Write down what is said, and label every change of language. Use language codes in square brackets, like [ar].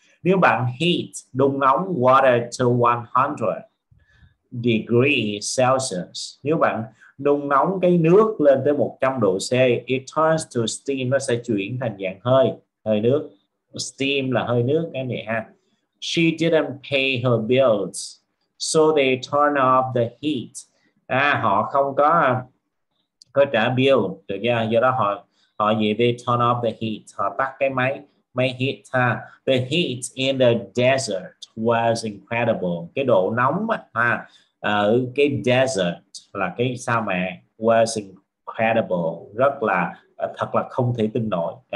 [vi] Nếu bạn heat, đun nóng [en] water to 100 degrees Celsius, [vi] nếu bạn đun nóng cái nước lên tới 100 độ C, [en] it turns to steam, [vi] nó sẽ chuyển thành dạng hơi, hơi nước. Steam là hơi nước, cái này ha. [en] She didn't pay her bills, so they turn off the heat. [vi] À, họ không có trả bill, được chưa? Do đó họ gì? [en] They turn off the heat. [vi] Họ tắt cái máy heat ha. [en] The heat in the desert was incredible. [vi] Cái độ nóng ha, ở cái desert là cái sa mạc, [en] was incredible, [vi] rất là thật là không thể tin nổi.